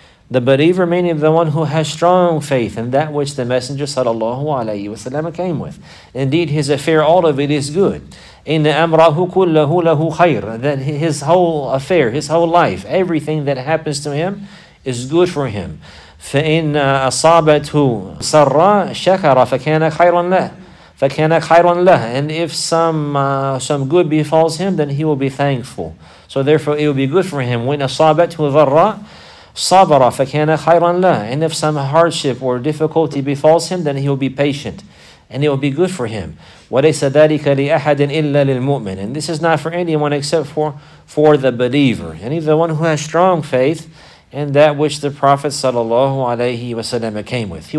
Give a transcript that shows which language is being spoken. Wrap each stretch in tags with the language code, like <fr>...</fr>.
<en>The believer meaning the one who has strong faith in that which the Messenger sallallahu alayhi wasallam came with. Indeed, his affair, all of it is good.</en> <ar>إن أمره كله له خير.</ar> <en>That his whole affair, his whole life, everything that happens to him is good for him.</en> <ar>فإن أصابته سرا شكر فكان خيرا له. فَكَانَ خَيْرًا لَهُ.</ar> <en>And if some good befalls him, then he will be thankful. So therefore, it will be good for him. When</en> <ar>أَصَابَتْهُ ضَرَّا صَابَرَ فَكَانَ خَيْرًا لَهُ.</ar> <en>And if some hardship or difficulty befalls him, then he will be patient. And it will be good for him.</en> <ar>وَلَيْسَ ذَلِكَ لِأَحَدٍ إِلَّا لِلْمُؤْمِنِ.</ar> <en>And this is not for anyone except for the believer. And even the one who has strong faith in that which the Prophet sallallahu alayhi wasallam came with.</en>